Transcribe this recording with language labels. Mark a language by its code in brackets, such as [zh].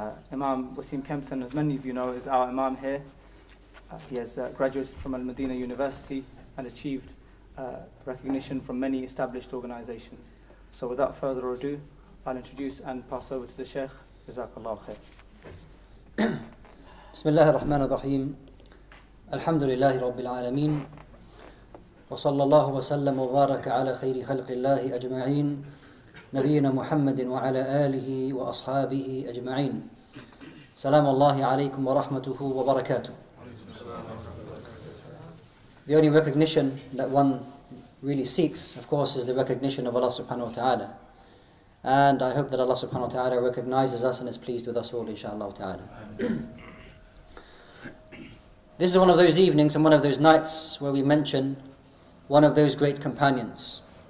[en] Imam Wasim Kempson, as many of you know, is our Imam here. He has graduated from Al Medina University and achieved recognition from many established organizations. So without further ado, I'll introduce and pass over to the Sheikh. Jazakallah khair. [ar] بسم الله الرحمن الرحيم الحمد لله رب العالمين وصلى الله وسلم وبارك على خير خلق الله أجمعين نبينا محمد وعلى آله وأصحابه أجمعين سلام الله عليكم ورحمته وبركاته. [en] The only recognition that one really seeks, of course, is the recognition of Allah subhanahu wa ta'ala. And I hope that Allah subhanahu wa ta'ala recognizes us and is pleased with us all, inshallah ta'ala. This is one of those evenings and one of those nights where we mention one of those great companions.